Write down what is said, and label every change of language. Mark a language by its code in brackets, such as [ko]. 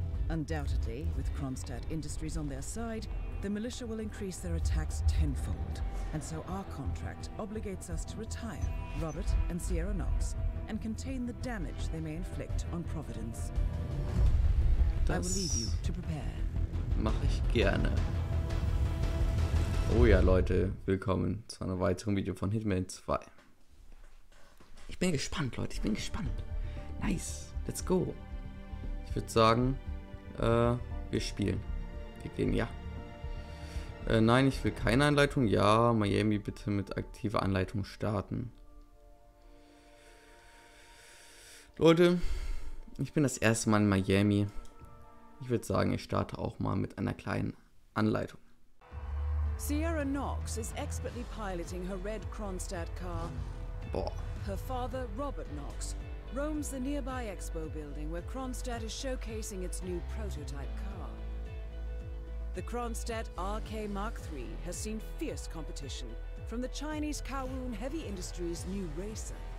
[en] Undoubtedly, with Kronstadt Industries on their side, the militia will increase their attacks tenfold, and so our contract obligates us to retire Robert and Sierra Knox and contain the damage they may inflict on Providence. [de] Das [en] I will leave you to prepare. [de] Mach ich gerne. Oh ja, Leute, willkommen zu einem weiteren Video von Hitman 2. Ich bin gespannt, Leute, ich bin gespannt. [en] Nice, let's go. [de] Ich würde sagen, wir spielen. Wir gehen, ja. Nein, ich will keine Anleitung. Ja, Miami, bitte mit aktiver Anleitung starten. Leute, ich bin das erste Mal in Miami. Ich würde sagen, ich starte auch mal mit einer kleinen Anleitung. [en] Sierra Knox is expertly piloting her red Kronstadt car. Boah. Her father, Robert Knox, roams the nearby expo building where Kronstadt is showcasing its new prototype car. The Kronstadt RK Mark III has seen fierce competition from the Chinese Kowloon Heavy Industries' new racer.